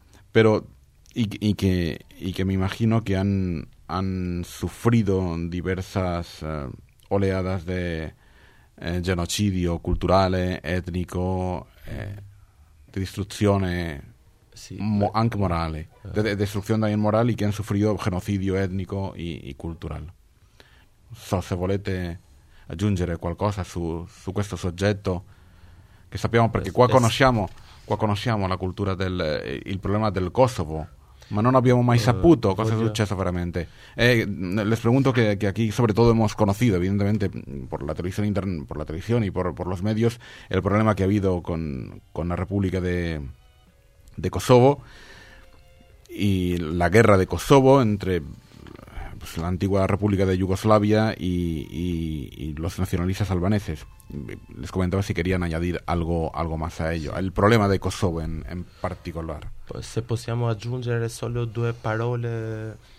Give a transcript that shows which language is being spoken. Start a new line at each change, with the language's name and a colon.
Spanish: pero y que me imagino que han sufrido diversas oleadas de genocidio cultural, étnico, de destrucción, sí, aunque moral, de destrucción también moral, y que han sufrido genocidio étnico y cultural.
Italian: So, se volete aggiungere qualcosa su questo soggetto che sappiamo, perché qua conosciamo la cultura del il problema del Kosovo, ma non abbiamo mai saputo cosa è successo veramente.
Spanish: Les pregunto que aquí sobre todo hemos conocido evidentemente por la televisión y por los medios el problema que ha habido con la República de Kosovo y la guerra de Kosovo entre la antigua República de Yugoslavia y los nacionalistas albaneses. Les comentaba si querían añadir algo más a ello. El problema de Kosovo en particular.
Italian: Pues, se possiamo aggiungere solo due parole.